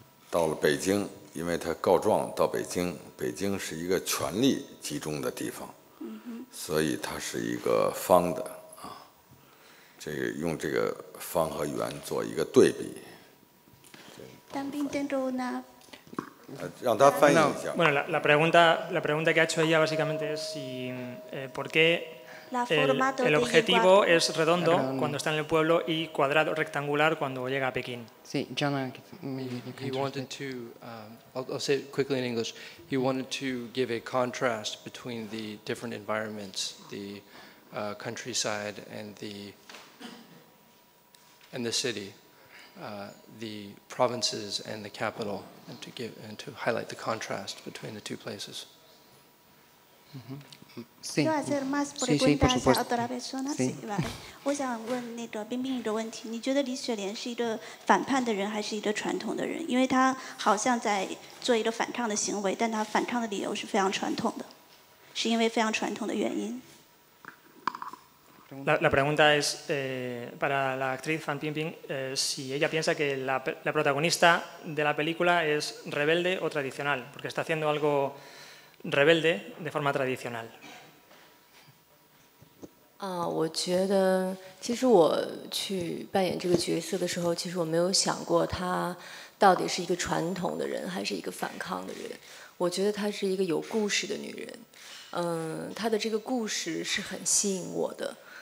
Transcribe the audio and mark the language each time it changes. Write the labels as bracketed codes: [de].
[zh] 到了北京，因为他告状到北京，北京是一个权力集中的地方，所以他是一个方的啊，这个用这个方和圆做一个对比。当兵登州呢？让他翻译一下。 [es] Bueno, la pregunta que ha hecho ella básicamente es si por qué el objetivo es redondo cuando está en el pueblo y cuadrado rectangular cuando llega a Pekín. Sí, John. [en] He wanted to. I'll say it quickly in English. He wanted to give a contrast between the different environments, the countryside and the city. The provinces and the capital, and to highlight the contrast between the two places. [es] ¿Puedo hacer más preguntas a otra persona? Sí, vale. [zh] 我想问那个冰冰一个问题：你觉得李雪莲是一个反叛的人，还是一个传统的人？因为她好像在做一个反抗的行为，但她反抗的理由是非常传统的，是因为非常传统的原因。 [es] La pregunta es para la actriz Fan Bingbing si ella piensa que la protagonista de la película es rebelde o tradicional, porque está haciendo algo rebelde de forma tradicional. [zh] Ah, 我觉得其实我去扮演这个角色的时候，其实我没有想过她到底是一个传统的人还是一个反抗的人。我觉得她是一个有故事的女人，她的这个故事是很吸引我的。